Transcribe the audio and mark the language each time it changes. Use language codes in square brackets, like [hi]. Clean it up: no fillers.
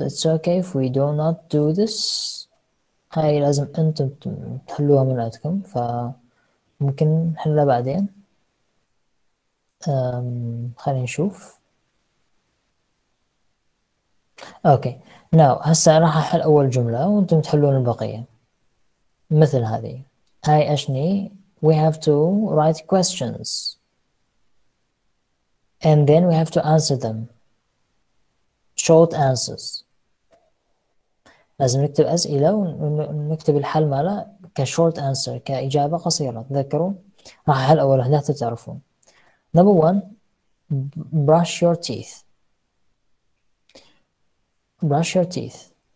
[en] It's okay if we do not do this. [ar] هاي لازم انتم تحلوها من عندكم فممكن نحلها بعدين. خلينا نشوف. اوكي ناو هسه راح احل اول جمله وانتم تحلون البقيه مثل هذه. هاي اشني [en] we have to write questions and then we have to answer them short answers. [ar] لازم نكتب أسئلة ونكتب الحل مالها كشورت أنسر كإجابة قصيرة. تذكروا راح أحل أول هنا حتى تعرفون. [en] Number one, brush your teeth. Brush your teeth.